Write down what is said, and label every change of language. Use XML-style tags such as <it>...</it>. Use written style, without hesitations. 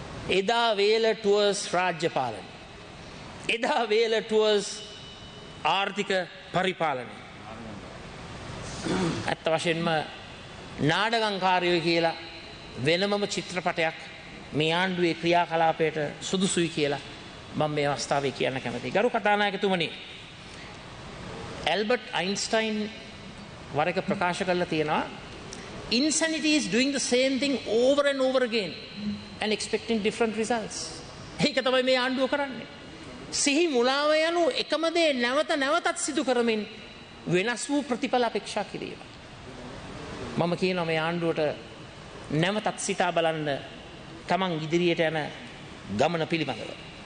<si>එදා වේල ටුවර්ස් රාජ්‍ය පාලන, එදා වේල ටුවර්ස් ආර්ථික පරිපාලනය. ඇත්ත වශයෙන්ම නාඩගංකාරයෝ කියලා වෙනමම චිත්‍රපටයක් මේ ආණ්ඩුවේ ක්‍රියාකලාපයට සුදුසුයි කියලා මම මේ අවස්ථාවේ කියන්න කැමතියි. ගරු කතානායකතුමනි, ඇල්බර්ට් අයින්ස්ටයින් වරක ප්‍රකාශ කරලා තියෙනවා,</si> <en>insanity is doing the same thing over and over again and expecting different results.</en> <si>ඒක තමයි මේ ආණ්ඩුව කරන්නේ. සිහි මුලාව යනු එකම දේ නැවත නැවතත් සිදු කරමින් වෙනස් වූ ප්‍රතිඵල අපේක්ෂා කිරීම. මම කියනවා මේ ආණ්ඩුවට නැවතත් සිතා බලන්න තමන් ඉදිරියට යන ගමන පිළිබඳව.</si>